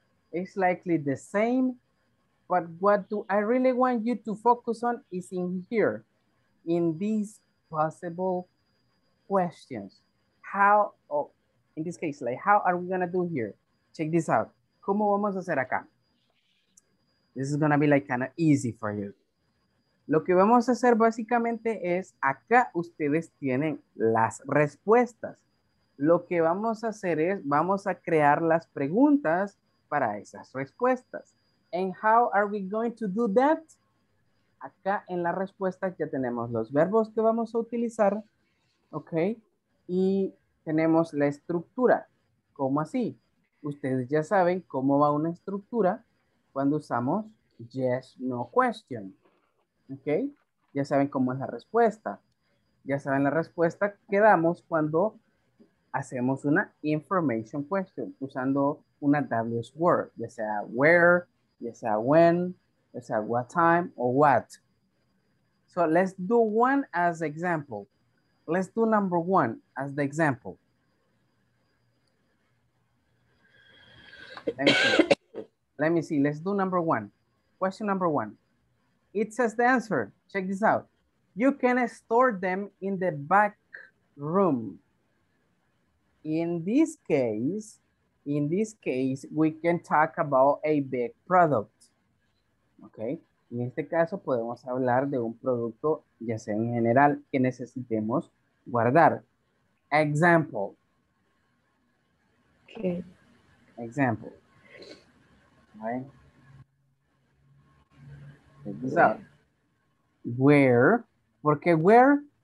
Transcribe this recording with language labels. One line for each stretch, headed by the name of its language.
English: It's likely the same, but what do I really want you to focus on is in here, in these possible questions. How, oh, in this case, like how are we gonna do here? Check this out.
Spanish: ¿Cómo vamos a hacer acá?
English: This is gonna be like kind of easy for you.
Spanish: Lo que vamos a hacer básicamente es, acá ustedes tienen las respuestas. Lo que vamos a hacer es, vamos a crear las preguntas para esas respuestas.
English: And how are we going to do that?
Spanish: Acá en la respuesta ya tenemos los verbos que vamos a utilizar, ¿ok? Y tenemos la estructura. ¿Cómo así? Ustedes ya saben cómo va una estructura cuando usamos yes, no question. ¿Ok? Ya saben cómo es la respuesta. Ya saben la respuesta que damos cuando hacemos una information question usando una WS word, ya sea where, ya sea when, ya sea what time or what.
English: So let's do one as example. Let's do number one as the example. Let me see. Let's do number one. Question number one. It says the answer. Check this out. You can store them in the back room. In this case, we can talk about a big product. Okay.
Spanish: En este caso, podemos hablar de un producto, ya sea en general, que necesitemos guardar.
English: Example. Okay. Example. Right. Check this out. Where?
Spanish: ¿Por qué
English: where?